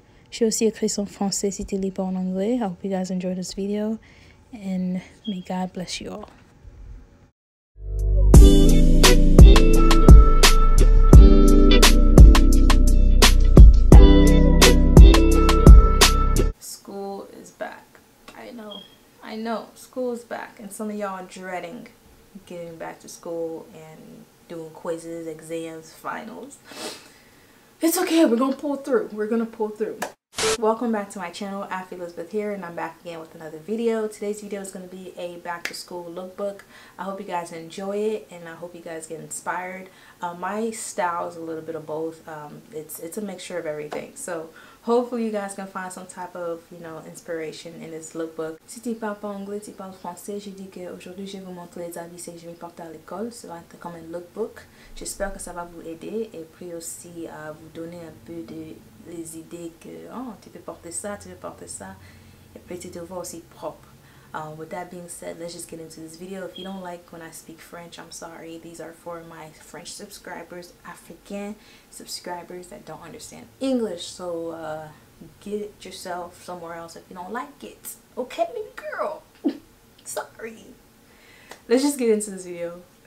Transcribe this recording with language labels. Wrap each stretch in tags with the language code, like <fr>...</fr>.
<fr>Je vous salue, Christ en français, si tu lis pas en anglais.</fr> <en>I hope you guys enjoyed this video, and may God bless you all. School is back. I know. School is back, and some of y'all are dreading getting back to school and doing quizzes, exams, finals. It's okay, we're gonna pull through. Welcome back to my channel, Afi Elizabeth here, and I'm back again with another video. Today's video is gonna be a back to school lookbook. I hope you guys enjoy it, and I hope you guys get inspired. My style is a little bit of both. It's a mixture of everything. So hopefully you guys can find some type of, you know, inspiration in this lookbook.</en> <fr>Si tu parles pas anglais, tu parles français, j'ai dit que aujourd'hui je vais vous montrer les habits que je vais porter à l'école. Ça va être comme un lookbook. J'espère que ça va vous aider et puis aussi à vous donner un peu de les idées que oh, tu peux porter ça, tu peux porter ça. Et puis tu te vois aussi propre.</fr> <en>With that being said, let's just get into this video. If you don't like when I speak French, I'm sorry. These are for my French subscribers, African subscribers that don't understand English. So get yourself somewhere else if you don't like it. Okay, girl? Sorry. Let's just get into this video.</en>